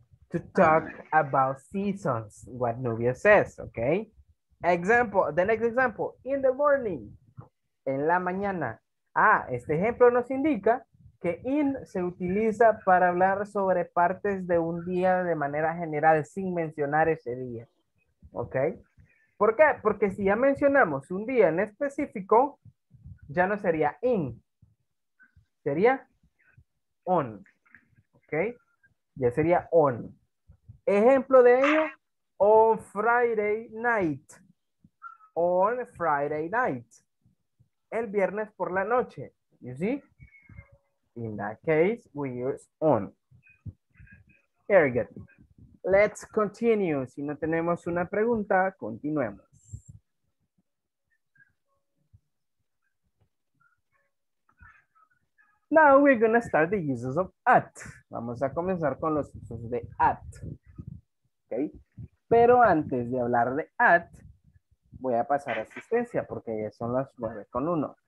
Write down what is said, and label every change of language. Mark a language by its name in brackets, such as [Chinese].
[English] To talk about seasons, what Nubia says, ¿ok? Example, the next example, in the morning, [Spanish] en la mañana. Ah, este ejemplo nos indica que in se utiliza para hablar sobre partes de un día de manera general sin mencionar ese día, ¿ok? ¿Por qué? Porque si ya mencionamos un día en específico, ya no sería in. Sería on, ¿ok? Ya sería on. Ejemplo de ello, [English] on Friday night. On Friday night. [Spanish] El viernes por la noche, [English] you see? In that case, we use on. Very good. Let's continue. [Spanish] Si no tenemos una pregunta, continuemos. [English] Now we're going to start the uses of at. [Spanish] Vamos a comenzar con los usos de at. Okay. Pero antes de hablar de at, voy a pasar a asistencia porque ya son las 9:01.